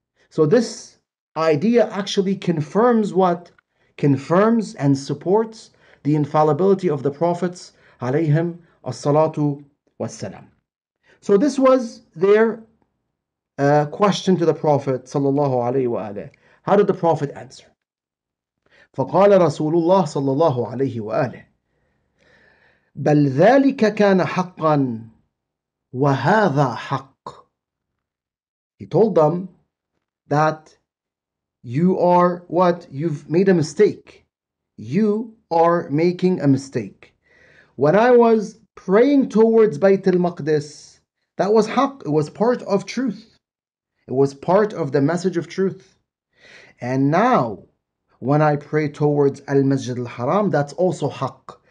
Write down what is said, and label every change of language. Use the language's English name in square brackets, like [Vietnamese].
[English] So this idea actually confirms what? Confirms and supports the infallibility of the Prophets alayhim as-salatu was-salam. So this was their question to the Prophet sallallahu alayhi wa alayhi. How did the Prophet answer? [Arabic] فَقَالَ رَسُولُ اللَّهِ صَلَّى اللَّهُ عَلَيْهِ وَآلِهِ بَلْ ذَلِكَ كَانَ حَقًّا وَهَذَا حَقٌّ. [English] He told them that you are what? You've made a mistake. You are making a mistake. When I was praying towards Bayt al-Maqdis, that was haqq. It was part of truth. It was part of the message of truth. And now, when I pray towards Al-Masjid al-Haram, that's also haqq.